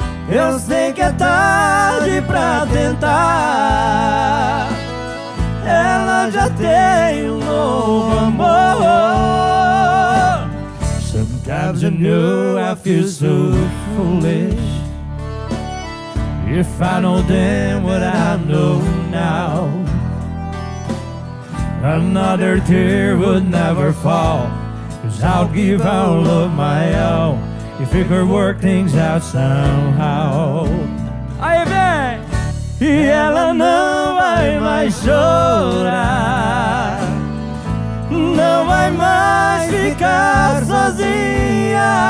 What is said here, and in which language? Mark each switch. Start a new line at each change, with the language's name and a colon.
Portuguese: Eu sei que é tarde pra tentar, ela já tem um novo amor.
English: Sometimes I know I feel so foolish, if I know then what I know now. Another tear would never fall, 'cause I'll give all of my all if it could work things out somehow.
Portuguese: Aí vem! E ela não vai mais chorar, não vai mais ficar sozinha.